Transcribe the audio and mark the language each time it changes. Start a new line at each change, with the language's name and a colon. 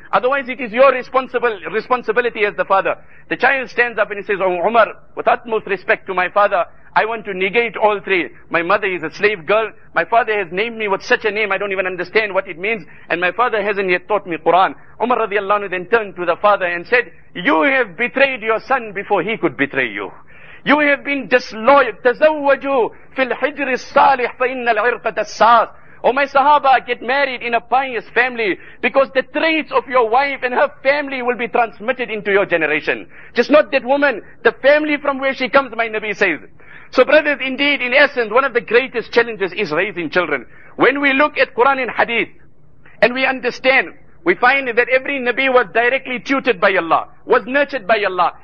English: Otherwise, it is your responsibility as the father. The child stands up and he says, oh Umar, with utmost respect to my father, I want to negate all three. My mother is a slave girl. My father has named me with such a name, I don't even understand what it means. And my father hasn't yet taught me Quran. Umar radiallahu anhu then turned to the father and said, you have betrayed your son before he could betray you. You have been disloyal.
Arabic: تزوجوا في الحجر الصالح فإن العرق تساس.
English: Oh my Sahaba, get married in a pious family because the traits of your wife and her family will be transmitted into your generation. Just not that woman, the family from where she comes, my Nabi says. So brothers, indeed, in essence, one of the greatest challenges is raising children. When we look at Quran and Hadith, and we understand, we find that every Nabi was directly tutored by Allah, was nurtured by Allah.